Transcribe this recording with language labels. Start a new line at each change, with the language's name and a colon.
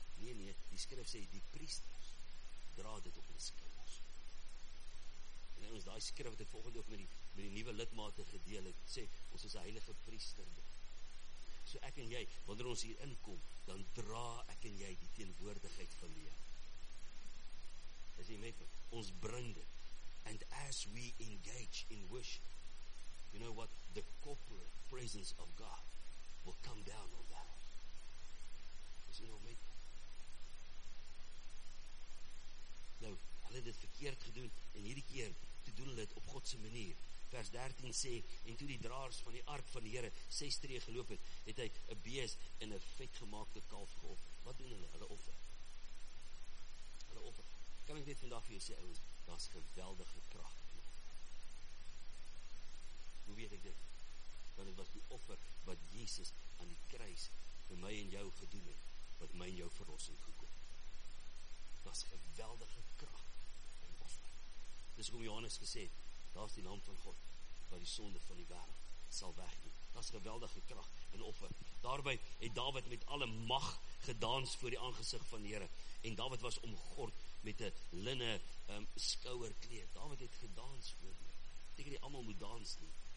Afrikaans: Nee, die skrif sê die priesters dra dit op hulle skouers. En ons daai skrif wat ek volgende ook met die nuwe lidmate gedeel het, sê ons is 'n heilige priester. So ek en jy, wanneer ons hier inkom, dan dra ek en jy die teenwoordigheid van die Here. Is jy met my? Ons bring dit.
English: And as we engage in worship, you know what? The corporate presence of God will come down on that.
Afrikaans: Is jy nou met my? Nou, hulle het dit verkeerd gedoen, en hierdie keer, toe doen hulle dit op God se manier. Vers 13 sê, en toe die draers van die ark van die Here 6 tree geloop het, het hy 'n bees en 'n vetgemaakte kalf geoffer. Wat doen hulle? Hulle offer. Kan ek net vandag vir jou sê, ouens, daar's geweldige krag. Hoe weet ek dit? Want dit was die offer wat Jesus aan die kruis vir my en jou gedoen het, wat my en jou verlossing gekom. Daar's geweldige krag in offer. Dis hoe Johannes gesê het, daar's die naam van God, wat die sonde van die wêreld sal wegneem. Daar's geweldige krag in offer. Daarby het Dawid met alle mag gedans voor die aangesig van die Here. En Dawid was omgord met 'n linne skouerkleed. Dawid het gedans voor die Here. Ek dink jy almal moet dans nie.